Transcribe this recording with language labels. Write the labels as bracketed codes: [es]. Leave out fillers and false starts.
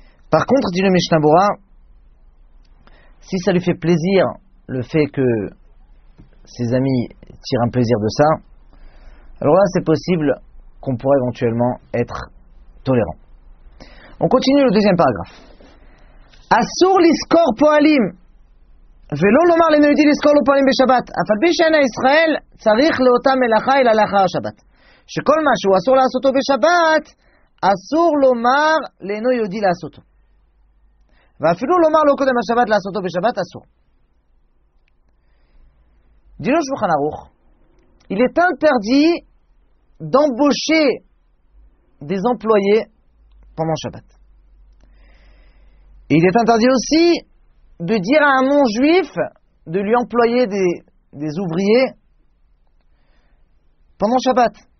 [fr] Par contre, dit le Mishnah Bora, si ça lui fait plaisir, le fait que ses amis tirent un plaisir de ça, alors là c'est possible qu'on pourrait éventuellement être tolérant. On continue le deuxième paragraphe. [he] אסור לזכור פועלים ולא לומר לנהודי לזכור לו פועלים בשבת אף על פי שאין הישראל צריך לאותה מלאכה אלא לאחר השבת שכל מה שהוא אסור לעשותו בשבת אסור לומר לאינו יהודי לעשותו ואפילו לומר לו קודם השבת לעשותו בשבת אסור [fr] Dit le Shulchan Aruch, il est interdit d'embaucher des employés pendant Shabbat. Et il est interdit aussi de dire à un non-juif de lui employer des ouvriers pendant Shabbat.